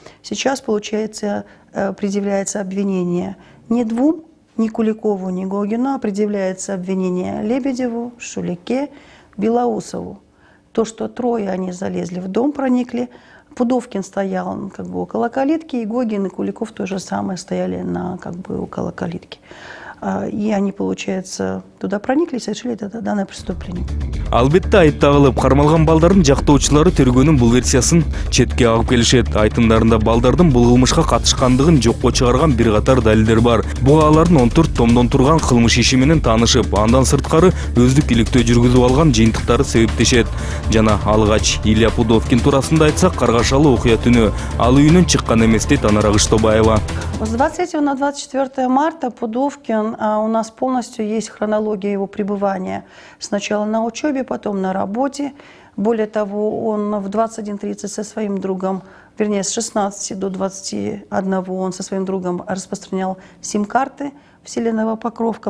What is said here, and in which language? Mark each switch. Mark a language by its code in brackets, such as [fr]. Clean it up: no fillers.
[ru] Сейчас, получается, предъявляется обвинение не двум, ни Куликову, ни Гогину, а предъявляется обвинение Лебедеву, Шулике, Белоусову. то, что трое они залезли в дом, проникли. Пудовкин стоял как бы около калитки, и Гогин, и Куликов то же самое стояли на, как бы, около калитки. И они, получается, туда проникли и совершили это данное преступление. [ky] Албетте айтталып, кармалган балдардын жактоочулары тергөөнүн бул версиясын четке алып келишет. Айтымдарында балдардын бул кылмышка катышкандыгын жокко чыгарган бир катар далилдер бар. Буга алардын 14 томдон турган кылмыш иши менен таанышып, андан сырткары өздүк иликтөө жүргүзүп алган жыйынтыктары себептешет. Жана алгач Илья Пудовкин туурасында айтсак, каргашалуу окуя түнү, ал үйүнөн чыккан эмес, дейт Анара Кыштобаева. [ru] С 23 на 24 марта Пудовкин, у нас полностью есть хронология его пребывания. Сначала на учебе, потом на работе. Более того, он в 21.30 со своим другом, вернее, с 16 до 21 он со своим другом распространял сим-карты в селе Новопокровка.